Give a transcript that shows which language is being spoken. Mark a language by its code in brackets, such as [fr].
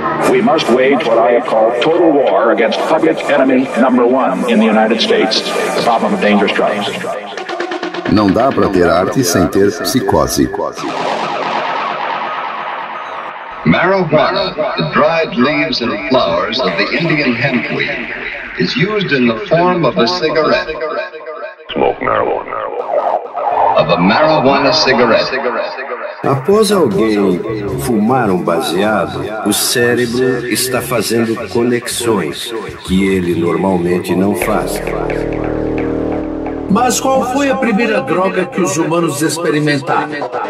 [en] We must wage what I have called total war against public enemy number one in the United States, the problem of dangerous drugs. [pt] Não dá pra ter arte sem ter psicose. [en] Marijuana, the dried leaves and flowers of the Indian hemp weed, is used in the form of a cigarette. Smoke marijuana. Of a marijuana cigarette. [pt] Após alguém fumar um baseado, o cérebro está fazendo conexões que ele normalmente não faz. Mas qual foi a primeira droga que os humanos experimentaram?